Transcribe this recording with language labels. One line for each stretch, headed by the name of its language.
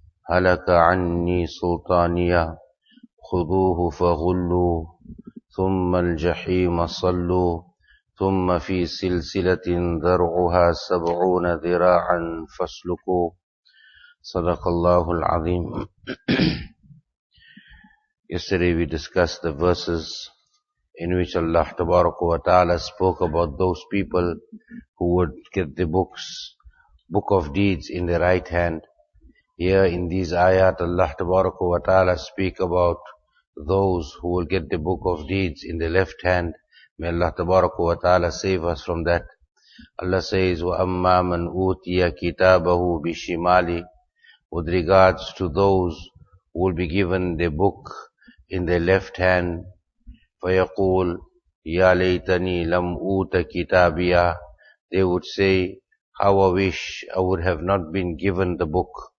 Arabic: هلك عني سلطانيه خذوه فغلوه ثم الجحيم صلوا ثم في سلسلة ذرعها 70 ذراعا فاسلكوا صدق الله العظيم.
English: Yesterday we discussed the verses in which Allah
Arabic: تبارك وتعالى
English: spoke about those people who would get the books, book of deeds in their right hand. Here in these ayat Allah
Arabic: تبارك وتعالى
English: speak about those who will get the book of deeds in the left hand. May Allah tabaraka wa ta'ala save us from that. Allah says,
Arabic: وَأَمَّا مَنْ أُوْتِيَ كِتَابَهُ بِشِمَالِ.
English: With regards to those who will be given the book in the left hand,
Arabic: فَيَقُول يَا لَيْتَنِي لَمْ أُوْتَ كِتَابِيَا.
English: They would say, how I wish I would have not been given the book.